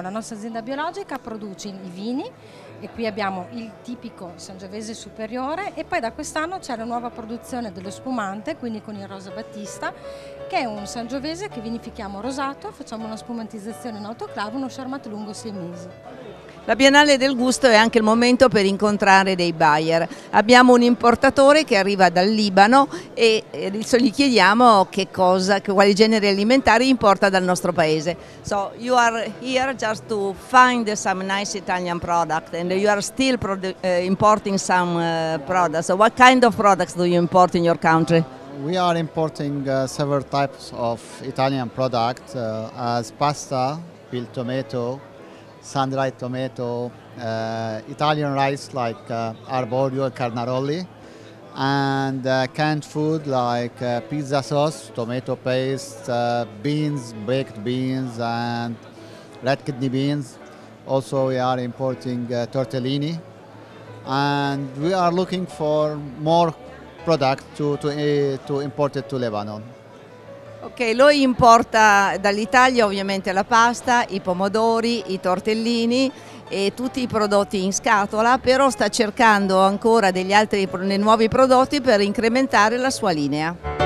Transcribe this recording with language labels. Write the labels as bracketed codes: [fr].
[it] La nostra azienda biologica produce i vini e qui abbiamo il tipico Sangiovese Superiore e poi da quest'anno c'è la nuova produzione dello spumante, quindi con il Rosa Battista, che è un Sangiovese che vinifichiamo rosato, facciamo una spumantizzazione in autoclave, uno Charmat lungo 6 mesi. La Biennale del Gusto è anche il momento per incontrare dei buyer. Abbiamo un importatore che arriva dal Libano e adesso gli chiediamo che cosa, quali generi alimentari importa dal nostro paese. [en] So you are here just to find some nice Italian product and you are still importing some products. So what kind of products do you import in your country? We are importing several types of Italian products as pasta, il tomato, sun-dried tomato, Italian rice like arborio and carnaroli, and canned food like pizza sauce, tomato paste, beans, baked beans and red kidney beans. Also we are importing tortellini, and we are looking for more products to import it to Lebanon. [it] Ok, lui importa dall'Italia ovviamente la pasta, i pomodori, i tortellini e tutti i prodotti in scatola, però sta cercando ancora degli altri nuovi prodotti per incrementare la sua linea.